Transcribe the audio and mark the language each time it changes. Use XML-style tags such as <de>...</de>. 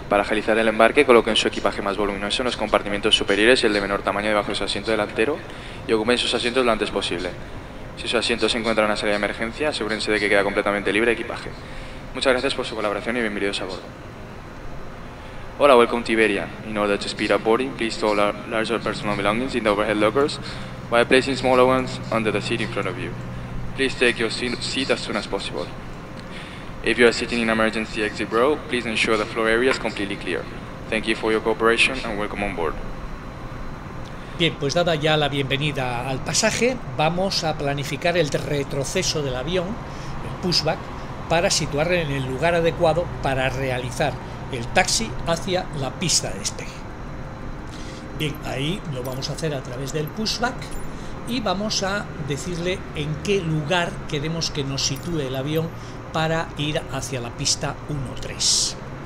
<es>Para agilizar el embarque, coloquen su equipaje más voluminoso en los compartimentos superiores y el de menor tamaño debajo de su asiento delantero y ocupen sus asientos lo antes posible. Si su asiento se encuentra en una sala de emergencia, asegúrense de que queda completamente libre de equipaje. Muchas gracias por su colaboración y bienvenidos a bordo.</es> <en>Hola, welcome to Iberia. In order to speed up boarding, please store larger personal belongings in the overhead lockers by placing smaller ones under the seat in front of you. Please take your seat as soon as possible. If you are sitting in emergency exit row, please ensure the floor area is completely clear. Thank you for your cooperation and welcome on board.</en> <es>Bien, pues dada ya la bienvenida al pasaje, vamos a planificar el retroceso del avión, el pushback, para situarlo en el lugar adecuado para realizar el taxi hacia la pista de despegue. Bien, ahí lo vamos a hacer a través del pushback. Y vamos a decirle en qué lugar queremos que nos sitúe el avión para ir hacia la pista 1-3.</es>